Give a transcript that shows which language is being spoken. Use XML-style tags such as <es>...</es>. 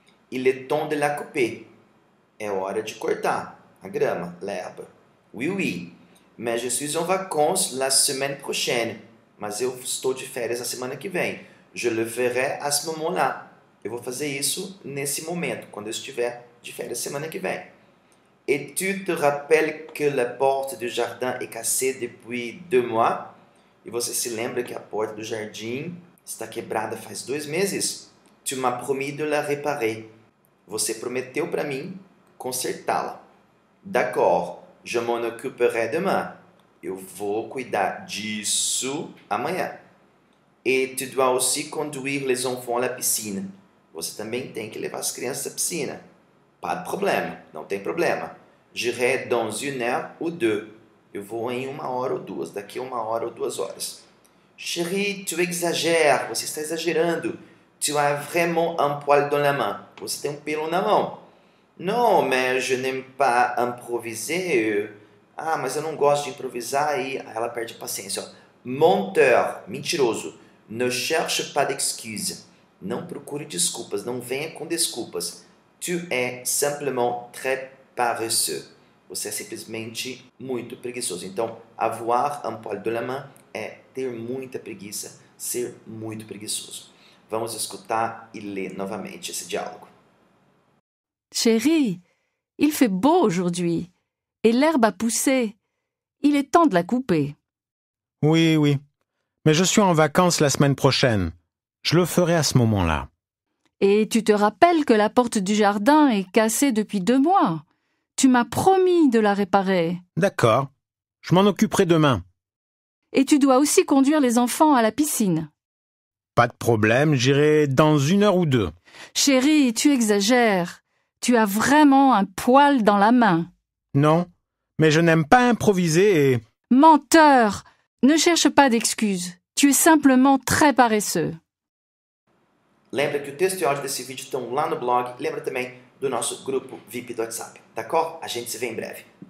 <fr>Il est temps de la couper.</fr> <pt>É hora de cortar a grama,</pt> <fr>l'herbe. Oui. Mais je suis en vacances la semaine prochaine.</fr> <pt>Mas eu estou de férias na semana que vem.</pt> <fr>Je le ferai à ce moment-là.</fr> <pt>Eu vou fazer isso nesse momento, quando eu estiver de férias semana que vem.</pt> <fr>Et tu te rappelles que la porte du jardin est cassée depuis 2 mois?</fr> <pt>E você se lembra que a porta do jardim está quebrada faz 2 meses?</pt> <fr>Tu m'as promis de la réparer.</fr> <pt>Você prometeu para mim consertá-la.</pt> <fr>D'accord, je m'en occuperai demain.</fr> <pt>Eu vou cuidar disso amanhã.</pt> <fr>Et tu dois aussi conduire les enfants à la piscine.</fr> <pt>Você também tem que levar as crianças à piscina.</pt> <fr>Pas de problème,</fr> <pt>não tem problema.</pt> <fr>J'irai dans 1 heure ou 2.</fr> <pt>Eu vou em 1 hora ou 2, daqui 1 hora ou 2 horas.</pt> <fr>Chérie, tu exagères.</fr> <pt>Você está exagerando.</pt> <fr>Tu as vraiment un poil dans la main.</fr> <pt>Você tem um pelo na mão.</pt> <fr>Non, mais je n'aime pas improviser.</fr> <pt>Ah, mas eu não gosto de improvisar. E ela perde a paciência. Menteur, mentiroso.</pt> <fr>Ne cherche pas d'excuses.</fr> <pt>Não procure desculpas. Não venha com desculpas.</pt> <fr>Tu es simplement très paresseux.</fr> <pt>Você é simplesmente muito preguiçoso. Então,</pt> <fr>avoir un poil de la main</fr> <pt>é ter muita preguiça, ser muito preguiçoso. Vamos escutar e ler novamente esse diálogo.</pt> <fr>Chérie, il fait beau aujourd'hui et l'herbe a poussé. Il est temps de la couper. Oui. Mais je suis en vacances la semaine prochaine. Je le ferai à ce moment-là. Et tu te rappelles que la porte du jardin est cassée depuis 2 mois. Tu m'as promis de la réparer. D'accord. Je m'en occuperai demain. Et tu dois aussi conduire les enfants à la piscine. Pas de problème, j'irai dans 1 heure ou 2. Chérie, tu exagères. Tu as vraiment un poil dans la main. Non, mais je n'aime pas improviser et... Menteur, ne cherche pas d'excuses. Tu es simplement très paresseux.</fr> <pt>Lembra que o texto e o áudio desse vídeo estão lá no blog. Lembra também do nosso grupo VIP do WhatsApp. D'accord? A gente se vê em breve.</pt>